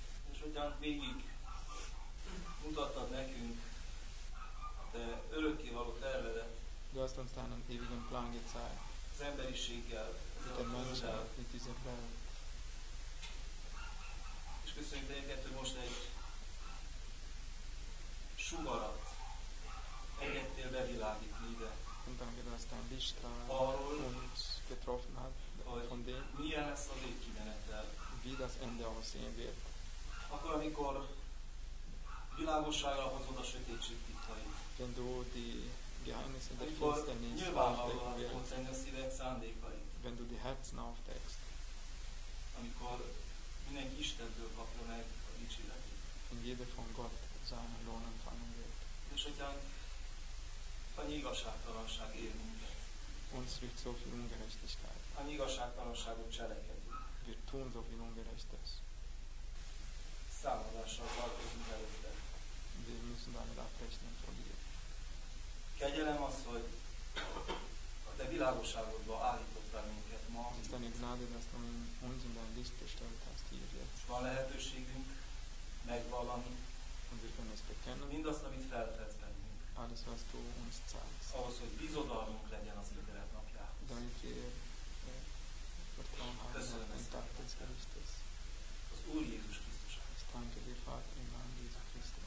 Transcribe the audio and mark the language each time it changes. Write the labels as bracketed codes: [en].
[hu] És hogyan végig mutattad nekünk a te örökké való tervedet. [de] Du hast uns deinen ewigen Plan gezeigt. [hu] Az emberiséggel, az emberiséggel. És köszönjük neked, hogy most egy sugarat engedtél bevilágítni ide. [de] Und danke, dass dein Licht da uns getroffen hat, von dem, wie das Ende aussehen wird. Wenn du die Geheimnisse der Finsternis aufdecken wirst, wenn du die Herzen aufdeckst, wenn jeder von Gott seinen Lohn empfangen wird. [hu] Annyi igazságtalanság ér minket. [de] Uns wird so viel Ungerechtigkeit. [hu] Annyi igazságtalanságot cselekedünk. [de] Wir tun so viel Ungerechtes. [hu] Számadással tartozunk előtte. [de] Wir müssen damit abrechnen von dir. [hu] Kegyelem az, hogy a te világosságodba állítottál minket ma. [de] Ist deine Gnade, dass du uns in dein Licht gestellt hast hier jetzt. [hu] Van lehetőségünk megvallani. [de] Und wir können es bekennen. [hu] Mindazt, amit feltetsz bennünk. [de] Alles, was du uns zeigst. [hu] Ahhoz, hogy bizodalmunk legyen az ítélet napjához. [de] Damit wir vertrauen haben am Tag des Gerichtes. [hu] Az Úr Jézus Krisztus. [de] Ich danke dir, Vater, im Namen Jesu Christi.